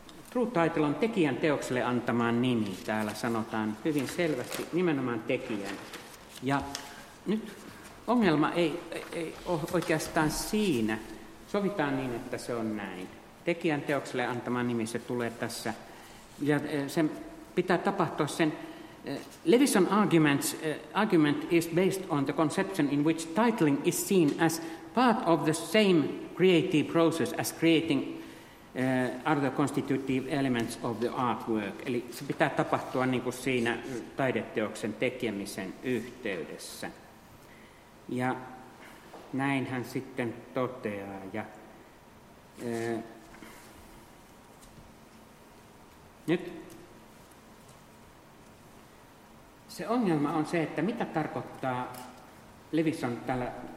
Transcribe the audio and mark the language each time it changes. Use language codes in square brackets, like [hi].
[en] True title [fi] on tekijän teokselle antamaan nimi. Täällä sanotaan hyvin selvästi nimenomaan tekijän. Ja nyt ongelma ei ole oikeastaan siinä. Sovitaan niin, että se on näin. Tekijän teokselle antamaan nimi, se tulee tässä. Ja sen pitää tapahtua sen. [en] Levison argument is based on the conception in which titling is seen as part of the same creative process as creating are the constitutive elements of the artwork. [fi] Eli se pitää tapahtua niin kuin siinä taideteoksen tekemisen yhteydessä. Ja näin hän sitten toteaa. Ja, nyt se ongelma on se, että mitä tarkoittaa Levison tällä.